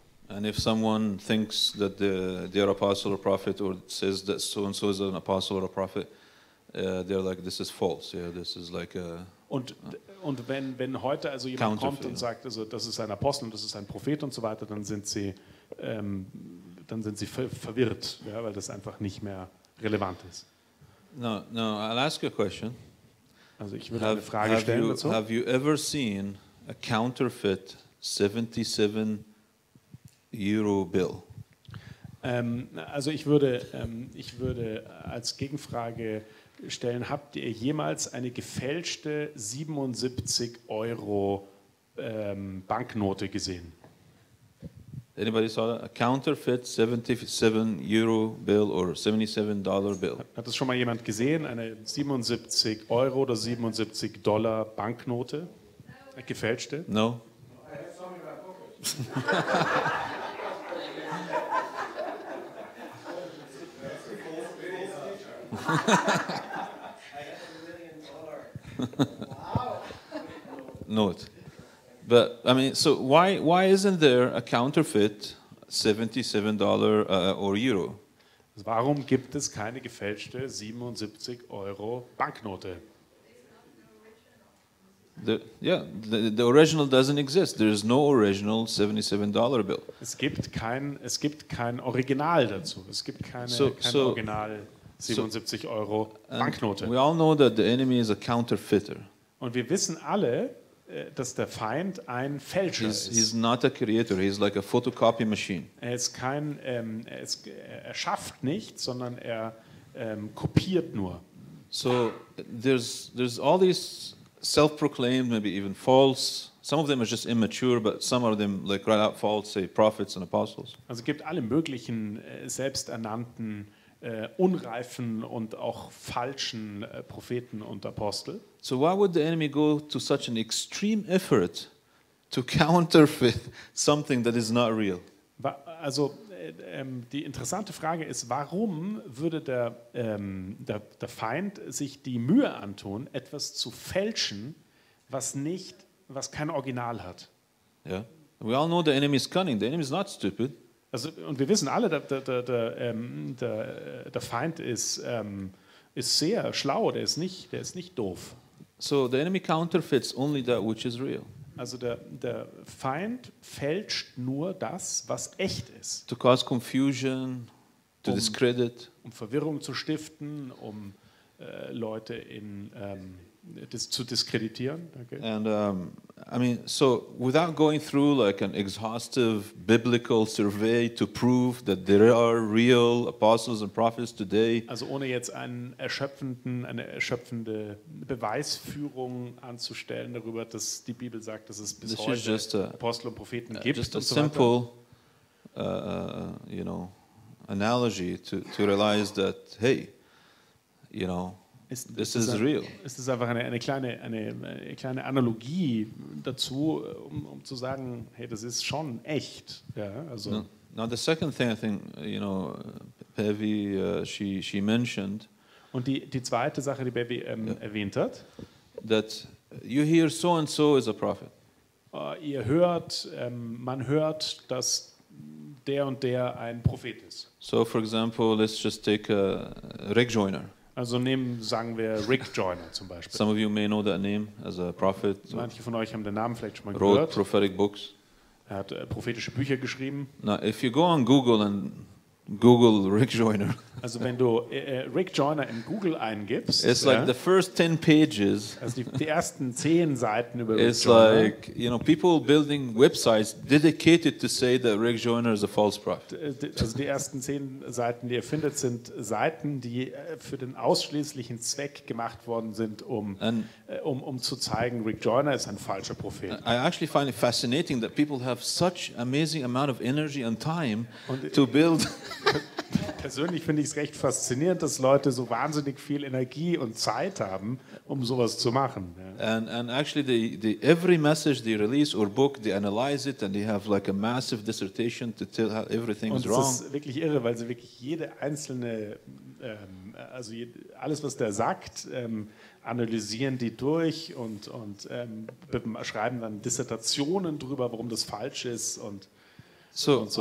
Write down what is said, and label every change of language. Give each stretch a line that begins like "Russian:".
English: And if someone thinks that they're apostle or prophet, or says that so and so is an apostle or a prophet, they're like, this is false. Yeah, this is like a.
German: Und wenn heute also jemand kommt und sagt, also das ist ein Apostel und das ist ein Prophet und so weiter, dann sind sie verwirrt, ja, weil das einfach nicht mehr relevant ist.
English: No, I'll ask you a question.
German: Also ich würde eine Frage stellen dazu.
English: Have you ever seen a counterfeit 77 Euro Bill?
German: Also ich würde als Gegenfrage stellen: Habt ihr jemals eine gefälschte 77 Euro Banknote gesehen?
English: Anybody saw that? A counterfeit 77 Euro Bill or 77 Dollar Bill?
German: Hat das schon mal jemand gesehen? Eine 77 Euro oder 77 Dollar Banknote? Eine gefälschte?
English: No. Note, but I mean, so why isn't there a counterfeit $77 or euro?
German: Warum gibt es keine gefälschte 77 Euro Banknote?
English: The original doesn't exist. There is no original $77 bill.
German: Es gibt kein Original dazu. Es gibt kein Original. 77 Euro Banknote.
English: We all know that the enemy is a counterfeiter.
German: Und wir wissen alle, dass der Feind ein Fälscher ist.
English: He's not a creator, he's like a photocopy machine.
German: Er ist kein er schafft nicht, sondern er kopiert nur.
English: So there's all these self-proclaimed, maybe even false. Some of them are just immature, but some of them like right out false, say prophets and apostles.
German: Also es gibt alle möglichen selbsternannten unreifen und auch falschen Propheten und Apostel.
English: So why would the enemy go to such an extreme effort to counterfeit something that is not real?
German: Also die interessante Frage ist, warum würde der Feind sich die Mühe antun, etwas zu fälschen, was kein Original hat?
English: Yeah. We all know the enemy is cunning. The enemy is not stupid.
German: Also, und wir wissen alle, der Feind ist sehr schlau, der ist nicht doof.
English: So the enemy counterfeits only that which is real.
German: Also der Feind fälscht nur das, was echt ist.
English: To cause confusion, to discredit.
German: Um Verwirrung zu stiften, um Leute zu diskreditieren.
English: Okay. And I mean, so without going through like an exhaustive biblical survey to prove that there are real apostles and prophets today.
German: Also ohne jetzt eine erschöpfende Beweisführung anzustellen darüber, dass die Bibel sagt, dass es bis heute Apostel und Propheten gibt und so weiter.
English: Just a simple, analogy to realize that, hey, you know. This is real.
German: Ist es einfach eine kleine Analogie dazu, um zu sagen, hey, das ist schon echt. Ja, also.
English: Now the second thing I think, you know, Bevy she mentioned.
German: Und die zweite Sache, die Bevy erwähnt hat.
English: That you hear so and so is a prophet.
German: ihr hört, man hört, dass der und der ein Prophet ist.
English: So, for example, let's just take Rick Joyner.
German: Also nehmen, sagen wir, Rick Joyner zum Beispiel.
English: Some of you may know that name as a prophet.
German: So manche von euch haben den Namen vielleicht schon mal gehört.
English: Wrote prophetic books.
German: Er hat prophetische Bücher geschrieben.
English: Now, if you go on Google and Google Rick Joyner.
German: Also wenn du Rick Joyner in Google eingibst,
English: it's like the first 10 pages.
German: Also die ersten 10 Seiten über Rick Joyner.
English: It's like, you know, people building websites dedicated to say that Rick Joyner is a false prophet.
German: Also die ersten 10 Seiten, die ihr findet, sind Seiten, die für den ausschließlichen Zweck gemacht worden sind, um zu zeigen, Rick Joyner ist ein falscher Prophet.
English: I actually find it fascinating that people have such amazing amount of energy and time
German: und
English: to build.
German: Persönlich finde ich es recht faszinierend, dass Leute so wahnsinnig viel Energie und Zeit haben, um sowas zu machen.
English: And actually, the every message they release or book, they analyze it and they have like a massive dissertation to tell how everything
German: und
English: is wrong.
German: Und es ist wirklich irre, weil sie wirklich jede einzelne, also alles, was der sagt, analysieren die durch und schreiben dann Dissertationen drüber, warum das falsch ist und so.